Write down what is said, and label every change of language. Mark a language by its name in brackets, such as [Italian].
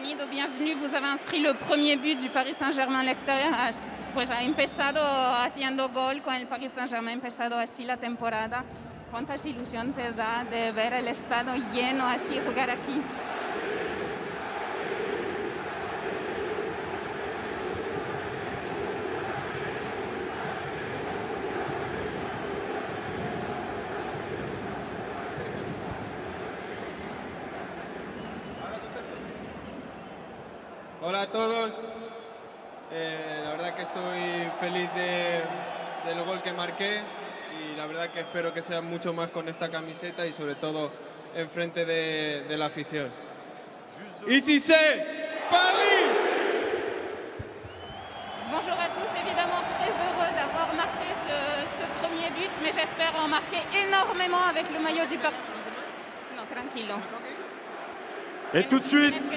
[French] Bienvenue, vous avez inscrit le premier but du Paris Saint-Germain à l'extérieur. [Spanish] Pues ha empezado haciendo gol con el Paris Saint-Germain, empezado así la temporada. ¿Cuántas ilusiones te da de ver el estadio lleno así jugar aquí? Hola a todos, la verdad que estoy feliz del gol que marqué y la verdad que espero que sea mucho más con esta camiseta y sobre todo en frente de la afición. Y si se ¡Pali! [French] Bonjour à tous, évidemment très heureux d'avoir marqué ce premier but, mais j'espère en marquer énormément avec le maillot du Paris. [Spanish] Non, tranquilo. [French] Et tout de suite.